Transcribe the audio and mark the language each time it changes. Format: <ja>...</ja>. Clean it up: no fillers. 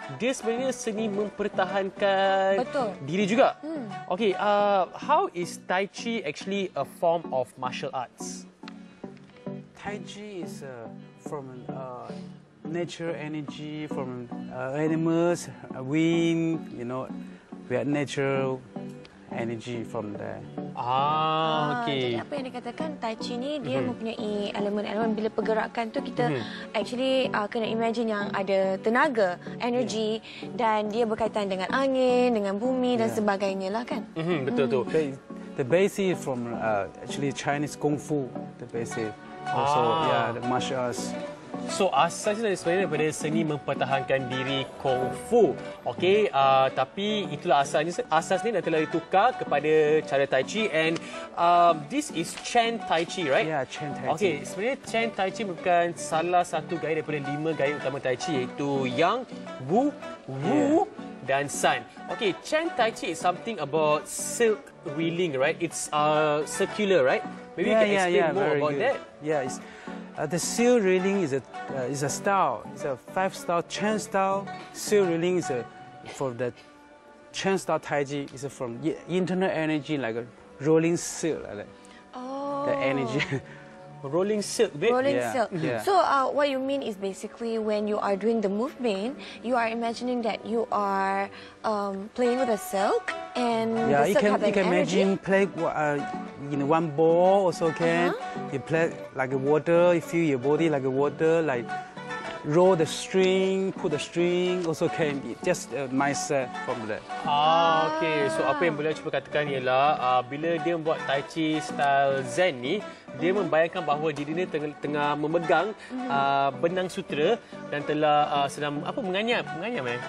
<ms>Dia sebenarnya seni mempertahankan diri juga.</ms> <en>Okay, how is Tai Chi actually a form of martial arts? Tai Chi is from natural energy, from animals, wind, you know. We have natural energy from there. Ah, okay.</en> <ms>Jadi apa yang dikatakan Tai Chi ni dia mempunyai elemen-elemen bila pergerakan tu kita actually kena imagine yang ada tenaga, energy dan dia berkaitan dengan angin, dengan bumi dan sebagainya lah kan. Betul tu.</ms> <en>The basic from actually Chinese kung fu, the basic also the martial arts.</en> <ms>So asasnya sebenarnya daripada seni mempertahankan diri kung fu. Okey, tapi itulah asalnya. Asas ni dah telah ditukar kepada cara Tai Chi</ms> <en>and this is Chen Tai Chi, right? Yeah, Chen Tai Chi.</en> <ms>Okey, sebenarnya Chen Tai Chi merupakan salah satu gaya daripada lima gaya utama Tai Chi iaitu Yang, Wu, Wu dan San.</ms> <en>Okey, Chen Tai Chi is something about silk reeling, right? It's circular, right? Maybe you can explain more about that. Yeah, it's the seal reeling is a style. It's a five star Chen style. Seal reeling is from the Chen style Tai Chi. It's from internal energy like a rolling seal, like the energy. Rolling silk, babe. Rolling silk. So what you mean is basically when you are doing the movement, you are imagining that you are playing with a silk and yeah, the silk can, have you can energy. Imagine play in one ball also can. You play like a water, you feel your body like a water, like roll the string, pull the string, also can be just myself from there. Ah, okay.</en> <ms>So apa yang beliau cuba katakan ialah bila dia buat Tai Chi style Zen ni, dia membayangkan bahawa dirinya tengah memegang benang sutera dan telah sedang apa menganyam eh?</ms>